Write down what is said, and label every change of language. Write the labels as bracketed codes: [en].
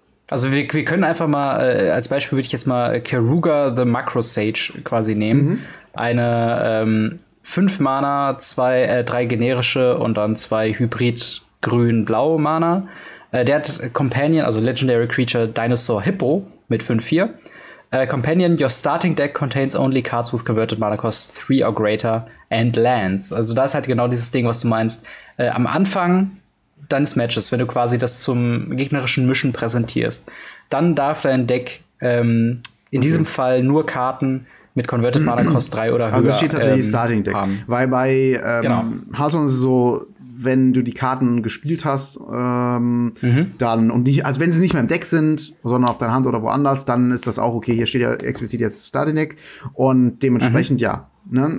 [de] Also wir können einfach mal, als Beispiel würde ich jetzt mal Karuga the Macro Sage quasi nehmen. Eine 5 Mana, 3 generische und dann 2 Hybrid grün-blaue Mana. Der hat Companion, also Legendary Creature Dinosaur Hippo mit 5-4. [en] Companion, your starting deck contains only cards with converted mana cost 3 or greater and lands. [de] Also da ist halt genau dieses Ding, was du meinst. Am Anfang deines Matches, wenn du quasi das zum gegnerischen Mischen präsentierst, dann darf dein Deck in diesem Fall nur Karten mit Converted Mana Cost 3 oder höher. Also es steht tatsächlich Starting Deck. Weil bei Hearthstone ist es so, wenn du die Karten gespielt hast, dann und nicht, also wenn sie nicht mehr im Deck sind, sondern auf deiner Hand oder woanders, dann ist das auch okay. Hier steht ja explizit jetzt Starting Deck und dementsprechend ja. Ne?